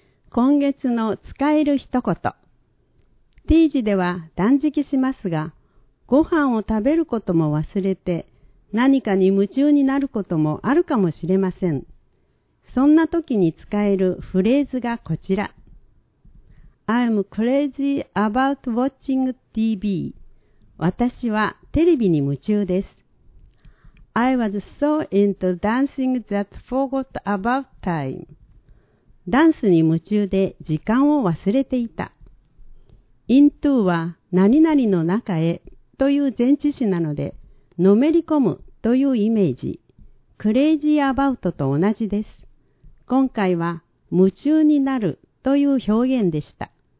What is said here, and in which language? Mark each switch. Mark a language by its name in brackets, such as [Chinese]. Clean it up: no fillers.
[Japanese] 今月の使える一言。ティージでは断食しますが、ご飯を食べることも忘れて、何かに夢中になることもあるかもしれません。そんな時に使えるフレーズがこちら。 [English] I'm crazy about watching TV. [Japanese] 私はテレビに夢中です。 [English] I was so into dancing that forgot about time. [Japanese] ダンスに夢中で時間を忘れていた。into は〜〜の中へという前置詞なので、のめり込むというイメージ、crazy about と同じです。今回は、夢中になるという表現でした。